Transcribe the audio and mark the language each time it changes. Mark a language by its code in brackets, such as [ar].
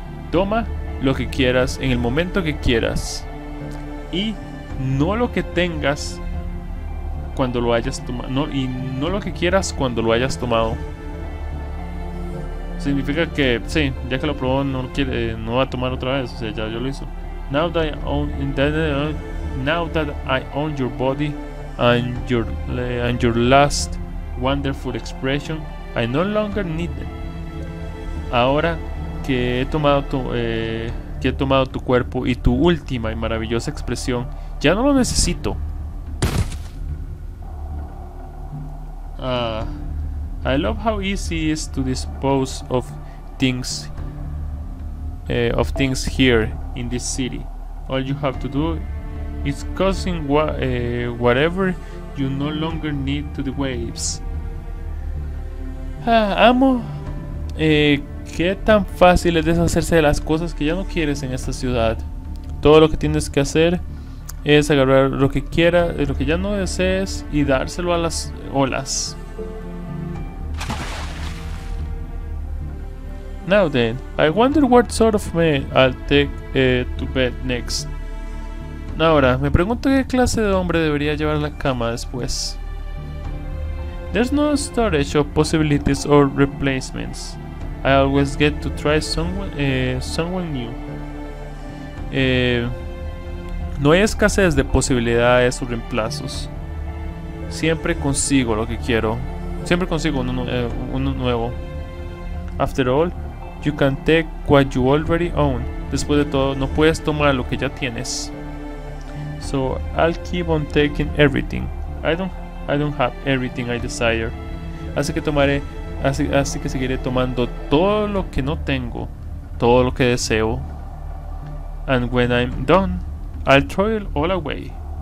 [es] Toma lo que quieras en el momento que quieras y no lo que tengas cuando lo hayas tomado. No, y no lo que quieras cuando lo hayas tomado. Significa que sí, ya que lo probó no va a tomar otra vez, o sea, ya yo lo hizo. [en] Now that I own your body and your last wonderful expression, I no longer need it. [es] Ahora que he tomado tu cuerpo y tu última y maravillosa expresión, ya no lo necesito. [en] I love how easy it is to dispose of things here in this city. All you have to do is causing whatever you no longer need to the waves. [es] Amo ¿Qué tan fácil es deshacerse de las cosas que ya no quieres en esta ciudad? Todo lo que tienes que hacer es agarrar lo que quieras, lo que ya no desees y dárselo a las olas. [en] Now then, I wonder what sort of man I'll take to bed next. [es] Ahora, me pregunto qué clase de hombre debería llevar a la cama después. [en] There's no storage of possibilities or replacements. I always get to try someone new. [es] No hay escasez de posibilidades o reemplazos. Siempre consigo lo que quiero. Siempre consigo uno nuevo. [en] After all, you can take what you already own. [es] Después de todo, no puedes tomar lo que ya tienes. [en] So I'll keep on taking everything. I don't have everything I desire. [es] Así que seguiré tomando todo lo que no tengo, todo lo que deseo. [en] And when I'm done, I'll throw it all away.